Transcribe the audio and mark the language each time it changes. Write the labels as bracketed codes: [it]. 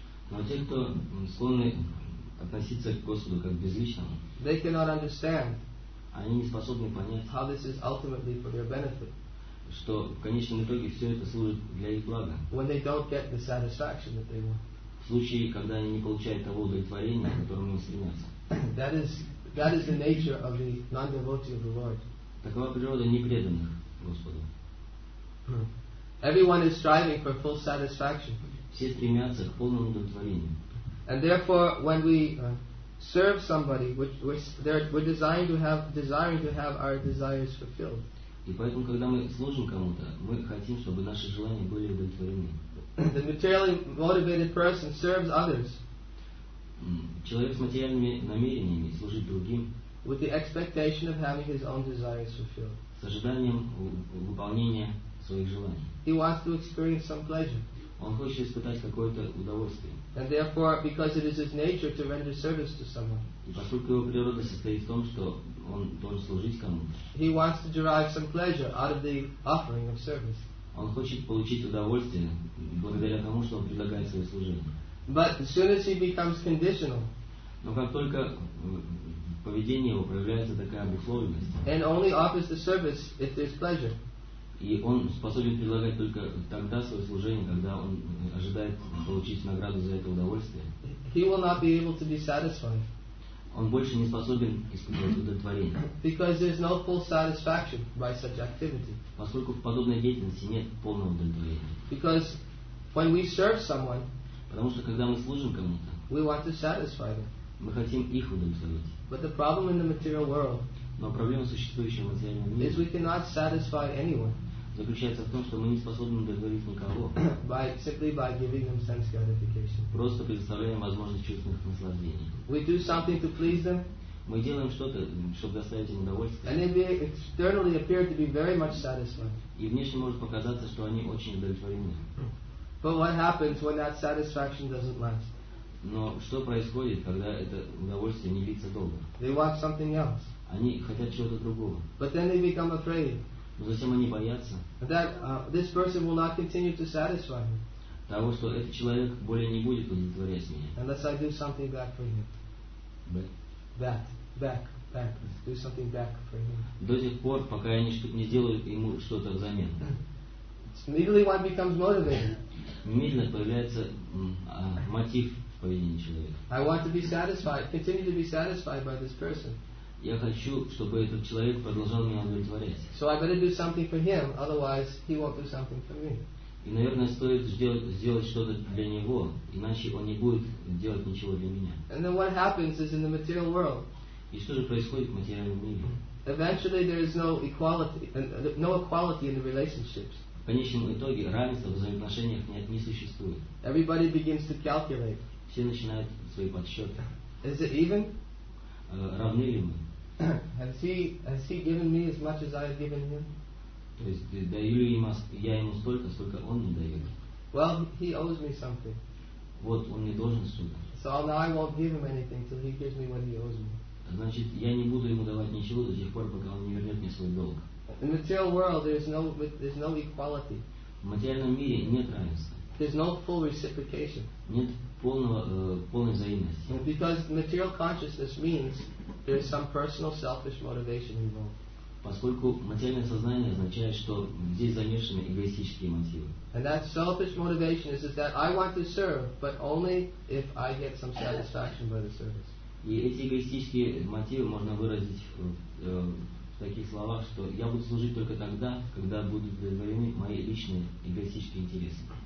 [ru] Но те, кто склонны относиться к Господу как безличному, [en] they cannot understand. [ru] Они не способны понять, [en] how this is ultimately for their benefit. [ru] Что в конечном итоге все это служит для их блага. [en] When they don't get the satisfaction that they want. [ru] В случае, когда они не получают того удовлетворения, к которому они стремятся. [en] That is the nature of the non-devotee of the Lord. [ru] Такова природа непреданных Господу. [en] Everyone is striving for full satisfaction. [ru] Все стремятся к полному удовлетворению. [en] And therefore, when we serve somebody, we're desiring to have our desires fulfilled. [ru] И поэтому, когда мы служим кому-то, мы хотим, чтобы наши желания были удовлетворены. [en] The materially motivated person serves others. [ru] Человек с материальными намерениями служит другим. [en] With the expectation of having his own desires fulfilled. [ru] С ожиданием выполнения своих желаний. [en] He wants to experience some pleasure. [ru] Он хочет испытать какое-то удовольствие. [en] And therefore, because it is his nature to render service to someone. [ru] И поскольку его природа состоит в том, что он должен служить кому-то. [en] He wants to derive some pleasure out of the offering of service. [ru] Он хочет получить удовольствие благодаря тому, что он предлагает свое служение. [en] But as soon as he becomes conditional, [ru] но как только поведение его проявляется такая обусловленность, [en] and only offers the service if there's pleasure. [ru] И он способен предлагать только тогда свое служение, когда он ожидает получить награду за это удовольствие. [en] He will not be able to be satisfied. [ru] Он больше не способен испытывать удовлетворение. [en] Because there's no full satisfaction by such activity. [ru] Поскольку в подобной деятельности нет полного удовлетворения. [en] Because when we serve someone, [ru] потому что когда мы служим кому-то, [en] we want to satisfy them. [ru] Мы хотим их удовлетворить. [en] But the problem in the material world, [ru] но проблема, существующая в материальном мире, [en] is we cannot satisfy anyone, [ru] заключается в том, что мы не способны удовлетворить никого, [en] by giving them sense gratification. [ru] Просто предоставляем возможность чувственных наслаждений. [en] We do something to please them, [ru] мы делаем что-то, чтобы доставить им удовольствие, [en] and they externally appear to be very much satisfied. [ru] И внешне может показаться, что они очень удовлетворены. [en] But what happens when that satisfaction doesn't last? [ru] Но что происходит, когда это удовольствие не длится долго? [en] They want something else. [ru] Они хотят чего-то другого. [en] But then they become afraid. [ru] Но затем они боятся. [en] That this person will not continue to satisfy me. [ru] Того, что этот человек более не будет удовлетворять меня. [en] Unless I do something back for him. Back. Do something back for him. [ru] До тех пор, пока я не сделаю ему что-то взамен. [en] Immediately one becomes motivated. [ru] Немедленно появляется мотив в поведении человека. [en] I want to be satisfied, continue to be satisfied by this person. [ru] Я хочу, чтобы этот человек продолжал меня удовлетворять. [en] So I better do something for him, otherwise he won't do something for me. [ru] И, наверное, стоит сделать что-то для него, иначе он не будет делать ничего для меня. [en] And then what happens is in the material world. [ru] И что же происходит в материальном мире? [en] Eventually there is no equality in the relationships. [ru] В конечном итоге равенства в взаимоотношениях не существует. [en] Everybody begins to calculate. [ru] Все начинают свои подсчеты. [en] Is it even? [ru] Равны ли мы? [en] Has he given me as much as I have given him? [ru] То есть даю ли я ему столько, сколько он мне дает? [en] Well, he owes me something. [ru] Вот он мне должен столько. [en] So now I won't give him anything till he gives me what he owes me. [ru] Значит, я не буду ему давать ничего до тех пор, пока он не вернет мне свой долг. [en] In the material world, there's no equality. [ru] В материальном мире нет равенства. [en] There's no full reciprocation. [ru] Нет полной взаимности. [en] Because material consciousness means there's some personal selfish motivation involved. [ru] Поскольку материальное сознание означает, что здесь замешаны эгоистические мотивы. [en] And that selfish motivation is that I want to serve, but only if I get some satisfaction by the service. [ru] И эти эгоистические мотивы можно выразить таких словах, что я буду служить только тогда, когда будут удовлетворены мои личные эгоистические интересы.